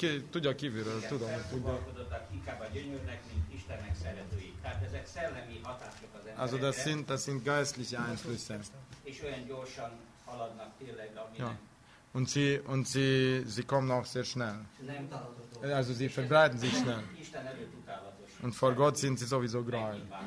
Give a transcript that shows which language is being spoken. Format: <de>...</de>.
<hu>Tudja kívülről, igen, tudom. Felfogalkodottak inkább a gyönyörnek, mint Istennek szeretői. Tehát ezek szellemi hatások az emberekre.</hu> <de>Also das sind, geistliche Einflüsse.</de> <hu>És olyan gyorsan haladnak tényleg, ami ja.</hu> <de>Und sie kommen auch sehr schnell. Also sie verbreiten sich schnell. Und vor Gott sind sie sowieso greuel.</de>